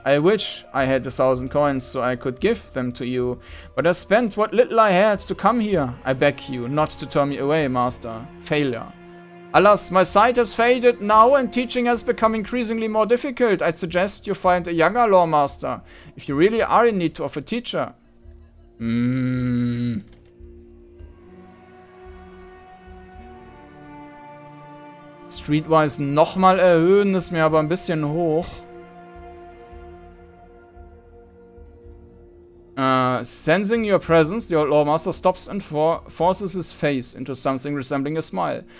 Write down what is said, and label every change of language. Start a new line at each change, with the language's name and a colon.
English: I wish I had 1,000 coins so I could give them to you, but I spent what little I had to come here. I beg you not to turn me away, master. Failure. Alas, my sight has faded now and teaching has become increasingly more difficult. I'd suggest you find a younger lore master, if you really are in need of a teacher.
German: Streetwise nochmal erhöhen, ist mir aber ein bisschen hoch.
English: Sensing your presence, the old Loremaster stops and forces his face into something resembling a smile.